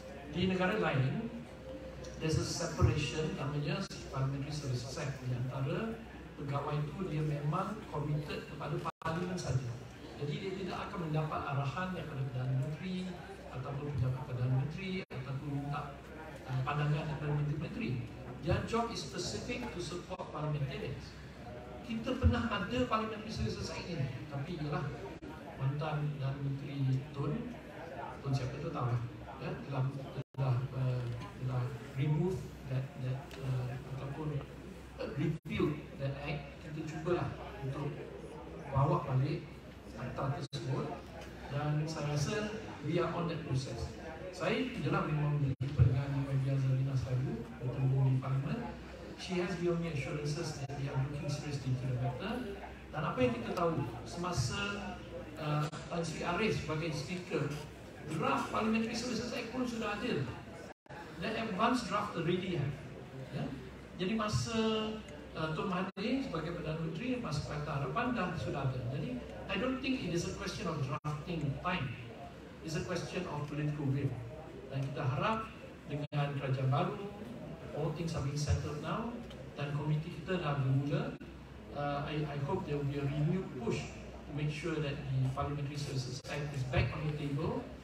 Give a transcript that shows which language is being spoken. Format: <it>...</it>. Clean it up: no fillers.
<ms>Di negara lain,</ms> <en>there's a separation</en> <ms>namanya Parliamentary Services Act. Di antara pegawai itu, dia memang committed kepada parlimen saja. Jadi dia tidak akan mendapat arahan daripada Perdana Menteri ataupun pejabat Perdana Menteri ataupun minta pandangan daripada Menteri-Menteri.</ms> <en>Their job is specific to support parliamentarians.</en> <ms>Kita pernah ada Parliamentary Services Act ini, tapi ialah mantan dan menteri Tun siapa tu tahu, ya, telah</ms> <en>remove that</en> <ms>ataupun</ms> <en>review that act.</en> <ms>Kita cubalah untuk bawa balik akta tersebut, dan saya rasa</ms> <en>we are on that process.</en> <ms>Saya jelas memang berjumpa dengan Wabi Azalina selalu bertemu di parlimen.</ms> <en>She has given me assurances that they are looking seriously into the matter.</en> <ms>Dan apa yang kita tahu, semasa Tan Sri Arif sebagai speaker, draft Parliamentary Services Act pun sudah ada.</ms> <en>The advanced draft already have.</en> <ms>Ya? Jadi masa Tun Mahathir sebagai Perdana Menteri, masa Pakatan Harapan dah sudah ada.</ms> <en>Jadi, I don't think it is a question of drafting time. It's a question of political will.</en> <ms>Dan kita harap dengan kerajaan baru,</ms> <en>all things are being settled now,</en> <ms>dan komiti kita dah bermula.</ms> <en>I hope there will be a renewed push to make sure that the Parliamentary Services Act is back on the table</en>